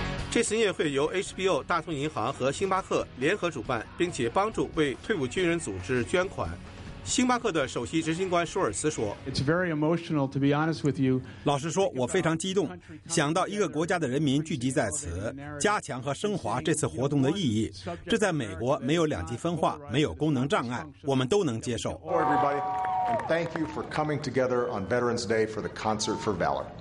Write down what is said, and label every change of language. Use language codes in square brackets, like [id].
[zh] 这次音乐会由 HBO 大通银行和星巴克联合主办，并且帮助为退伍军人组织捐款。星巴克的首席执行官舒尔茨说： [en] It's very emotional, to be honest with you. [zh] 老实说，我非常激动，想到一个国家的人民聚集在此，加强和升华这次活动的意义。这在美国没有两极分化，没有功能障碍，我们都能接受。 [en] Hello, everybody, and thank you for coming together on Veterans Day for the Concert for Valor.